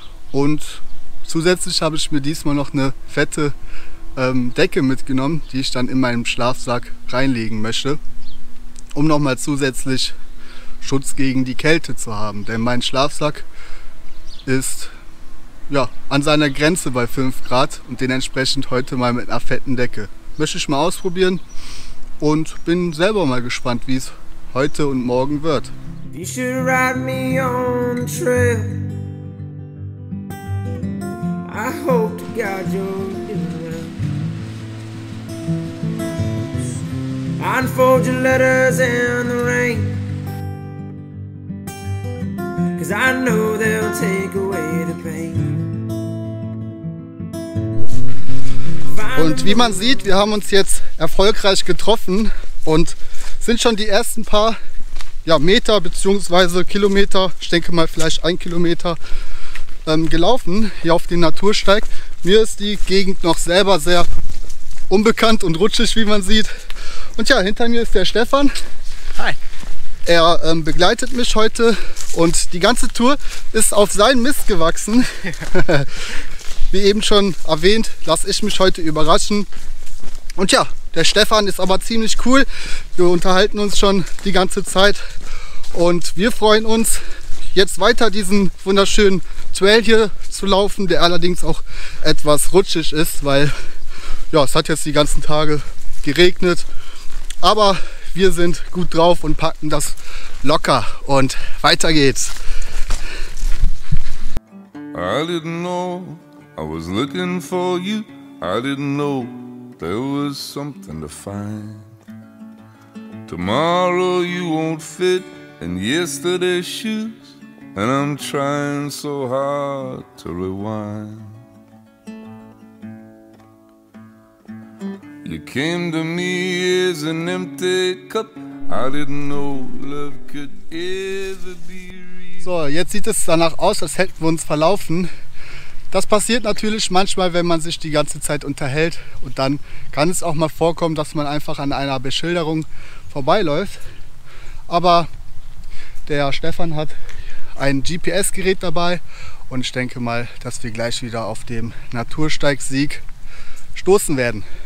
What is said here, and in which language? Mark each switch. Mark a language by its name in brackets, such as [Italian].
[German] Und zusätzlich habe ich mir diesmal noch eine fette Decke mitgenommen, die ich dann in meinem Schlafsack reinlegen möchte, um nochmal zusätzlich Schutz gegen die Kälte zu haben. Denn mein Schlafsack ist ja an seiner Grenze bei 5 Grad und den entsprechend heute mal mit einer fetten Decke. Möchte ich mal ausprobieren und bin selber mal gespannt, wie es heute und morgen wird. [English] You should ride me on the trail. I hope to God you're doing well. Unfold your letters in the rain, 'cause I know they'll take away the pain. [German] Und wie man sieht, wir haben uns jetzt erfolgreich getroffen und sind schon die ersten paar Meter bzw. Kilometer, ich denke mal vielleicht 1 Kilometer, gelaufen hier auf den Natursteig. Mir ist die Gegend noch selber sehr unbekannt und rutschig, wie man sieht. Und ja, hinter mir ist der Stefan. Hi. Er begleitet mich heute und die ganze Tour ist auf seinen Mist gewachsen. Wie eben schon erwähnt, lasse ich mich heute überraschen. Und ja, der Stefan ist aber ziemlich cool. Wir unterhalten uns schon die ganze Zeit und wir freuen uns, jetzt weiter diesen wunderschönen Trail hier zu laufen, der allerdings auch etwas rutschig ist, weil ja, es hat jetzt die ganzen Tage geregnet. Aber wir sind gut drauf und packen das locker und weiter geht's. [English] I didn't know I was looking for you. I didn't know there was something to find. Tomorrow you won't fit in yesterday's shoes, and I'm trying so hard to rewind. You came to me as an empty cup. I didn't know love could ever be real. [German] So, jetzt sieht es danach aus, als hätten wir uns verlaufen. Das passiert natürlich manchmal, wenn man sich die ganze Zeit unterhält, und dann kann es auch mal vorkommen, dass man einfach an einer Beschilderung vorbeiläuft. Aber der Stefan hat ein GPS-Gerät dabei und ich denke mal, dass wir gleich wieder auf dem Natursteig-Sieg stoßen werden.